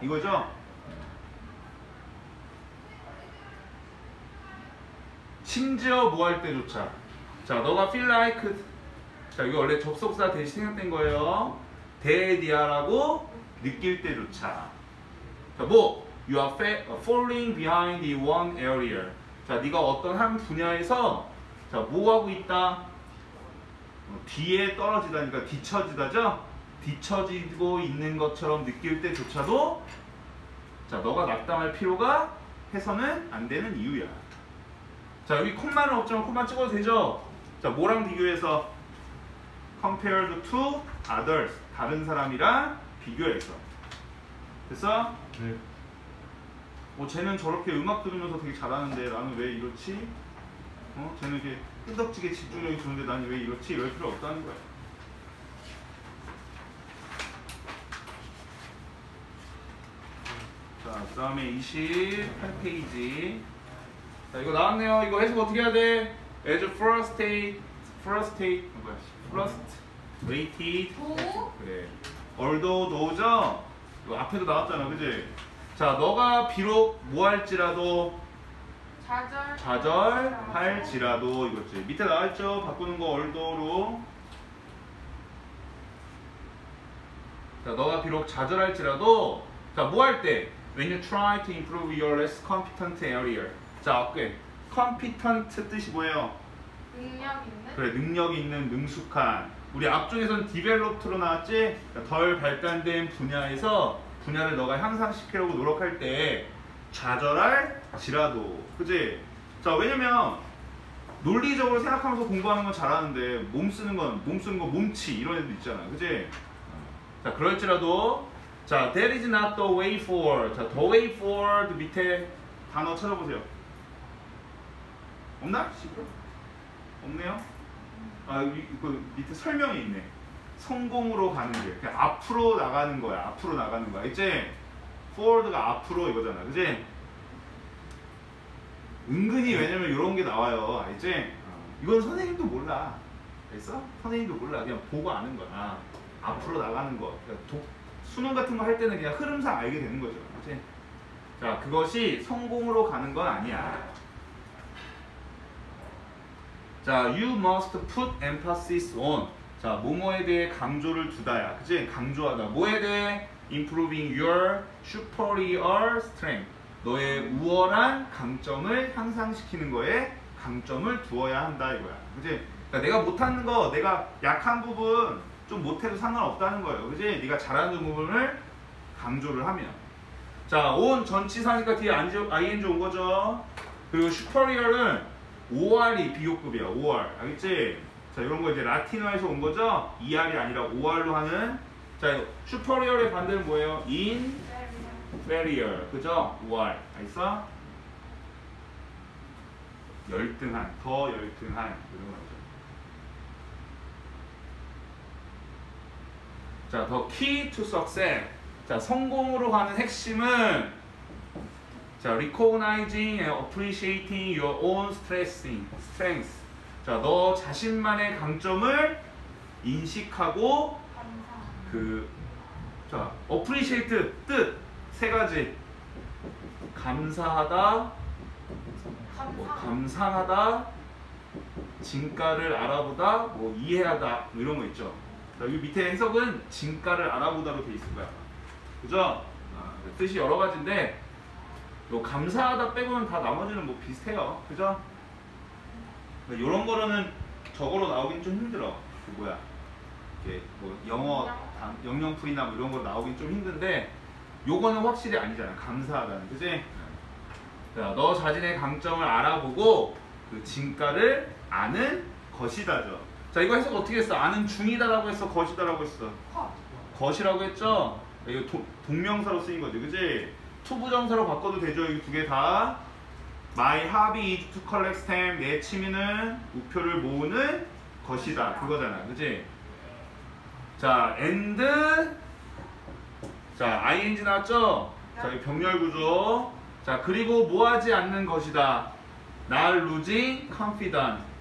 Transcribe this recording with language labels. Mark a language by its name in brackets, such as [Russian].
[Korean] 이거죠? 심지어 뭐 할 때조차. 자, 너가 feel like. 자, 이거 원래 접속사 대시 생각된 거예요. 대디아라고 느낄 때조차. 자, 뭐? [English] You are falling behind in one area. [Korean] 자, 네가 어떤 한 분야에서 자, 뭐 하고 있다? 뒤에 떨어지다니까 뒤처지다죠? 뒤처지고 있는 것처럼 느낄 때조차도 자, 너가 낙담할 필요가 해서는 안 되는 이유야. 자, 여기 콤마는 없지만 콤마 찍어도 되죠? 자, 뭐랑 비교해서? [English] Compared to others. [Korean] 다른 사람이랑 비교해서. 됐어? 네. 어, 쟤는 저렇게 음악 들으면서 되게 잘하는데 나는 왜 이렇지? 어, 쟤는 이렇게 끄덕지게 집중력이 좋은데 나는 왜 이렇지? 이럴 필요 없다는 거야. 자, 그 다음에 28페이지. 자, 이거 나왔네요. 이거 해석 어떻게 해야 돼? [English] As first aid, first aid, first rated. [Korean] 그래. Although, though죠? 이거 앞에도 나왔잖아, 그지? 자, 너가 비록 뭐 할지라도 좌절할지라도 이거지. 밑에 나왔죠? 바꾸는 거 although로. 자, 너가 비록 좌절할지라도 자, 뭐 할 때? [English] When you try to improve your less competent area. [Korean] 자, 오케이. Competent 뜻이 뭐예요? 능력 있는? 그래, 능력 있는, 능숙한. 우리 앞쪽에서는 developed로 나왔지? 덜 발달된 분야에서 분야를 너가 향상시키려고 노력할 때 좌절할지라도. 그치? 자, 왜냐면 논리적으로 생각하면서 공부하는 건 잘하는데 몸 쓰는 건 몸치 이런 애도 있잖아. 그치? 자, 그럴지라도 자, [English] that is not the way forward. [Korean] 자, the way forward 밑에 단어 찾아보세요. 없나? 없네요? 아, 그 밑에 설명이 있네. 성공으로 가는 길. 그냥 앞으로 나가는 거야. 앞으로 나가는 거야. 이제 forward가 앞으로 이거잖아. 그지? 은근히 왜냐면 이런 게 나와요. 알지? 이건 선생님도 몰라. 알겠어? 선생님도 몰라. 그냥 보고 아는 거야. 앞으로 나가는 거. 그러니까 수능 같은 거 할 때는 그냥 흐름상 알게 되는 거죠. 그렇지? 자, 그것이 성공으로 가는 건 아니야. [English] 자, you must put emphasis on. [Korean] 자, 뭐뭐에 대해 강조를 두다야. 그치? 강조하다. 뭐에 대해? [English] improving your superior strength. [Korean] 너의 우월한 강점을 향상시키는 거에 강점을 두어야 한다 이거야. 그치? 그러니까 내가 못하는 거, 내가 약한 부분 좀 못해도 상관없다는 거예요. 그치? 네가 잘하는 부분을 강조를 하면. 자, on 전치사니까 뒤에 ing 온 거죠. 그리고 superior은 5R이 비교급이야. 5R. 알겠지? 자, 이런 거 이제 라틴어에서 온 거죠. ER이 아니라 OR로 하는. 자, 이거 슈퍼리얼의 반대는 뭐예요? 인페리얼. 그죠? OR. 알겠어? 열등한. 더 열등한. 이런 거죠. [English] 자, 더 키 투 석세스. [Korean] 자, 성공으로 가는 핵심은 자, [English] recognizing and appreciating your own strengths. [Korean] 자, 너 자신만의 강점을 인식하고 그 자, appreciate 뜻 세 가지. 감사하다. 감상하다. 진가를 알아보다. 뭐 이해하다. 뭐 이런 거 있죠. 자, 여기 밑에 해석은 진가를 알아보다로 돼 있을 거야. 그죠? 아, 뜻이 여러 가지인데 뭐 감사하다 빼고는 다 나머지는 뭐 비슷해요. 그죠? 이런 거로는 저거로 나오긴 좀 힘들어. 그 뭐야? 이게 뭐 영어 영영풀이나 뭐 이런 거 나오긴 좀 힘든데 요거는 확실히 아니잖아. 감사하다는. 그지? 자, 너 자신의 강점을 알아보고 그 진가를 아는 것이다죠. 자, 이거 해석 어떻게 했어? 아는 중이다라고 했어? 것이다라고 했어? 것이라고 했죠? 이거 동명사로 쓰인 거지. 그지? 투부정사로 바꿔도 되죠. 이 두 개 다. [English] My hobby is to collect stamp. [Korean] 내 취미는 우표를 모으는 것이다. 그거잖아. 그지? 자, and. 자, ing 나왔죠? 자, 병렬구조. 자, 그리고 뭐 하지 않는 것이다. [English] Not losing confidence.